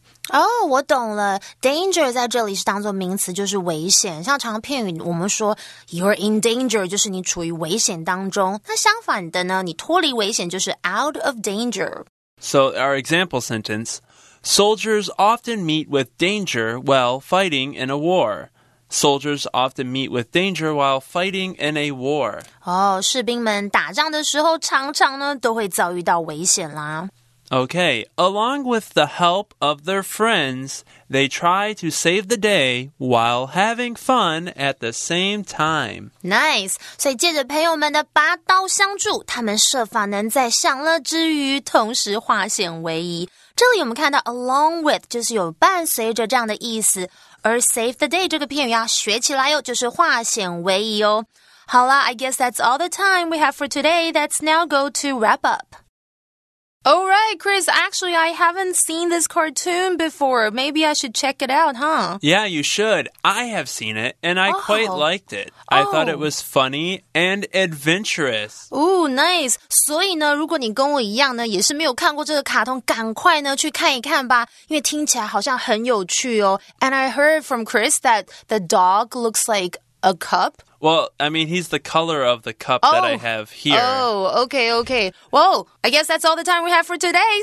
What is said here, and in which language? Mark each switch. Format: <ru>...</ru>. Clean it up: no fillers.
<zh>哦、oh, 我懂了 ,danger 在这里是当作名词就是危险像常片语我们说</zh> <en>you're in danger,</en> <zh>就是你处于危险当中那相反的呢你脱离危险就是</zh> <en>out of danger. So our example sentence, soldiers often meet with danger while fighting in a war. Soldiers often meet with danger while fighting in a war.</en> <zh>哦、oh, 士兵们打仗的时候常常呢都会遭遇到危险啦。</zh> <en>Okay, along with the help of their friends, they try to save the day while having fun at the same time. Nice!</en> <zh>所以借着朋友们的拔刀相助，他们设法能在享乐之余同时化险为夷。这里我们看到 along with 就是有伴随着这样的意思，而 save the day 这个片语要学起来哟，就是化险为夷哦。</zh> <en>好啦 I guess that's all the time we have for today. Let's now go to wrap up. Alright, Chris, actually, I haven't seen this cartoon before. Maybe I should check it out, huh? Yeah, you should. I have seen it, and I quite liked it. I thought it was funny and adventurous. Ooh, nice.</en> <zh>所以呢，如果你跟我一样呢，也是没有看过这个卡通，赶快呢去看一看吧，因为听起来好像很有趣哦。</zh> <en>And I heard from Chris that the dog looks like a cup. Well, I mean, he's the color of the cup that I have here. Oh, okay, okay. Well, I guess that's all the time we have for today.</en>